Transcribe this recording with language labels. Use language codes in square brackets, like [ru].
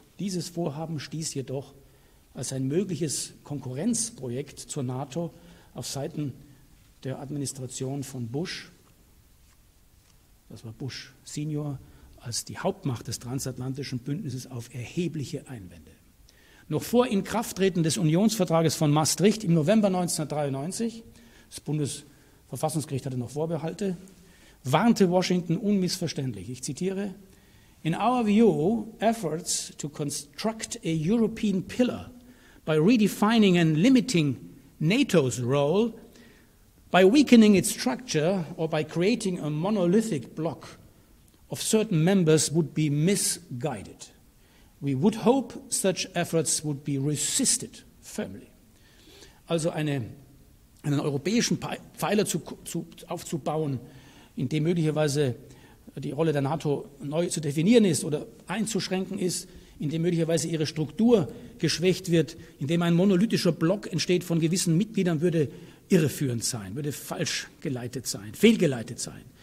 [de] Dieses Vorhaben stieß jedoch als ein mögliches Konkurrenzprojekt zur NATO auf Seiten der Administration von Bush, das war Bush Senior, als die Hauptmacht des transatlantischen Bündnisses auf erhebliche Einwände. Noch vor Inkrafttreten des Unionsvertrages von Maastricht im November 1993, das Bundesverfassungsgericht hatte noch Vorbehalte, warnte Washington unmissverständlich. Ich zitiere: [en] In our view, efforts to construct a European pillar by redefining and limiting NATO's role, by weakening its structure or by creating a monolithic block of certain members would be misguided. We would hope such efforts would be resisted firmly. [de] Also einen europäischen Pfeiler aufzubauen, in dem möglicherweise die Rolle der NATO neu zu definieren ist oder einzuschränken ist, in dem möglicherweise ihre Struktur geschwächt wird, in dem ein monolithischer Block entsteht von gewissen Mitgliedern, würde irreführend sein, würde falsch geleitet sein, fehlgeleitet sein.